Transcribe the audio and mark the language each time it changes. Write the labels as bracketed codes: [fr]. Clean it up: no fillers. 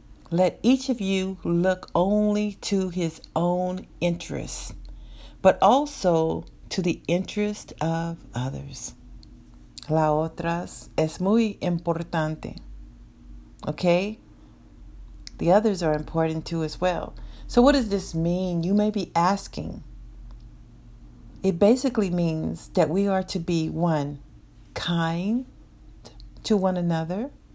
[en] Let each of you look only to his own interests, but also to the interest of others. [es] La otra es muy importante. [en] Okay? The others are important too as well. So what does this mean? You may be asking. It basically means that we are to be, one, kind to one another.